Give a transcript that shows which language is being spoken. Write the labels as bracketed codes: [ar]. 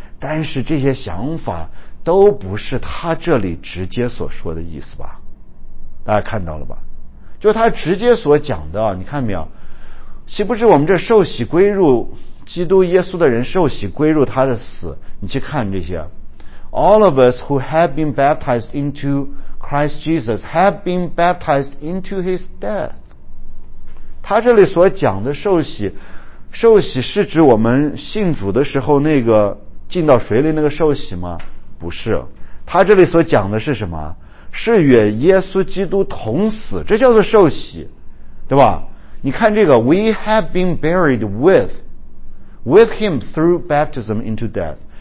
[zh] 但是这些想法都不是他这里直接所说的意思吧？大家看到了吧？就他直接所讲的，你看没有？岂不知我们这受洗归入基督耶稣的人，受洗归入他的死？你去看这些。 [en] All of us who have been baptized into Christ Jesus have been baptized into his death. [zh] 他这里所讲的受洗是指我们信主的时候那个进到水里那个受洗吗？不是。他这里所讲的是什么？是与耶稣基督同死，这叫做受洗，对吧？你看这个 [en] We have been buried with him through baptism into death.